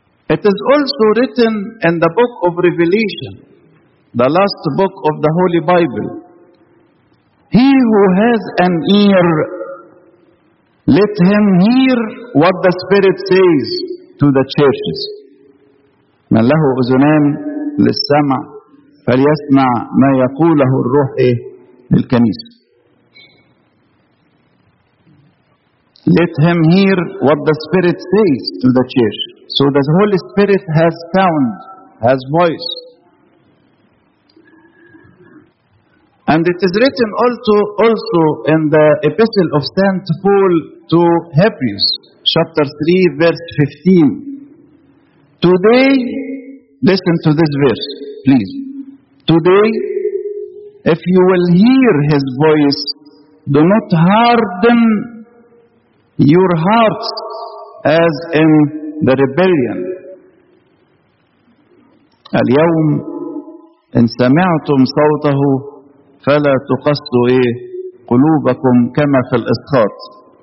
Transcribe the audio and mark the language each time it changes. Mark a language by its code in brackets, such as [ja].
[en] It is also written in the book of Revelation, the last book of the Holy Bible. He who has an ear, let him hear what the Spirit says to the churches. [ar] من له أذنان للسمع فليسمع ما يقوله الروح للكنيسة. [en] Let him hear what the Spirit says to the church. So the Holy Spirit has sound, has voice. And it is written also in the Epistle of St. Paul to Hebrews, chapter 3, verse 15. Today, listen to this verse, please. Today, if you will hear His voice, do not harden your hearts as in the rebellion. [ar] اليوم إن سمعتم صوته فلا تقسوا قلوبكم كما في الإسخاط.